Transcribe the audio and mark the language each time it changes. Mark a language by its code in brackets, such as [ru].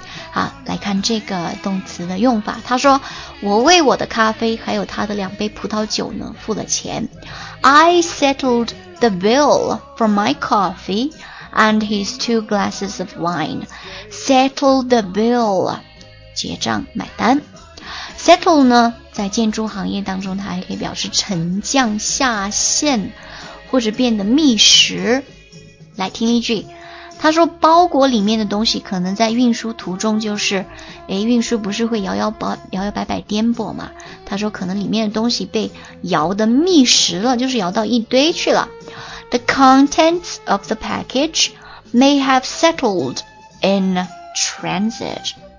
[zh] 好，来看这个动词的用法。他说我为我的咖啡还有他的两杯葡萄酒呢付了钱。 [en] I settled the bill for my coffee and his 2 glasses of wine. Settle the bill， [zh] 结账买单。 settle 呢在建筑行业当中，它还可以表示沉降下陷或者变得密实。来听一句，他说包裹里面的东西可能在运输途中就是运输不是会摇摆颠簸嘛，他说可能里面的东西被摇得密实了，就是摇到一堆去了。 [en] The contents of the package may have settled in transit。